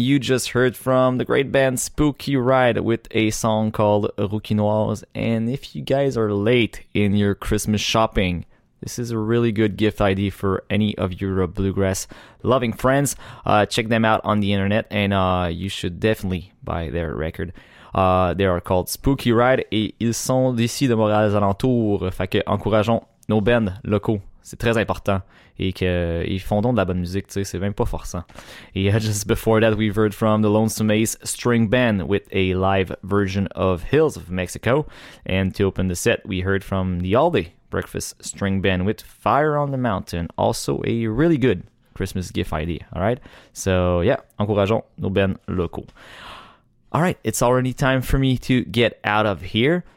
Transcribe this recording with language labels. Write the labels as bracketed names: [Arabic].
[English] You just heard from the great band Spooky Ride with a song called Rouquinoise. And if you guys are late in your Christmas shopping, this is a really good gift idea for any of your bluegrass loving friends. Check them out on the internet, and you should definitely buy their record. They are called Spooky Ride, [French] et ils sont d'ici de Montréal aux alentours. Fait que encourageons nos bands locaux, c'est très important, et qu'ils font donc de la bonne musique, tu sais, c'est même pas forçant. [English] Et just before that, we've heard from the Lonesome Ace String Band with a live version of Hills of Mexico. And to open the set, we heard from the Aldi Breakfast String Band with Fire on the Mountain, also a really good Christmas gift idea, alright? So yeah, [French] encourageons nos bands locaux. [English] Alright, it's already time for me to get out of here.